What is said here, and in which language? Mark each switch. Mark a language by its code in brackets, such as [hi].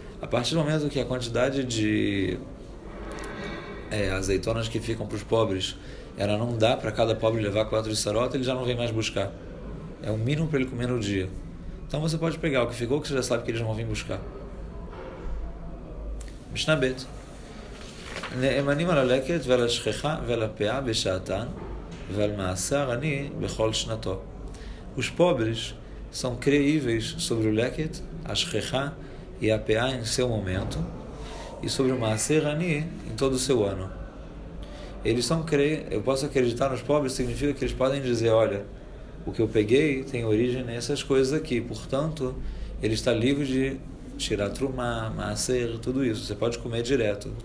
[pt] A partir do momento que a quantidade de azeitonas que ficam para os pobres, ela não dá para cada pobre levar 4 issarot, ele já não vem mais buscar. É o mínimo para ele comer no dia. Então você pode pegar o que ficou, que você já sabe que eles vão vir buscar. Mishnah Bet. [he] נאמנים על הלקט ועל השכחה ועל הפאה בשעתן ועל מעשר עני בכל שנתו. [pt] Os pobres são creíveis sobre o leket, a shchechá e a peá em seu momento, e sobre o maaser ani em todo o seu ano. Eles são creíveis, eu posso acreditar nos pobres, significa que eles podem dizer: olha, o que eu peguei tem origem nessas coisas aqui, portanto, ele está livre de tirar trumá, maaser, tudo isso. Você pode comer direto.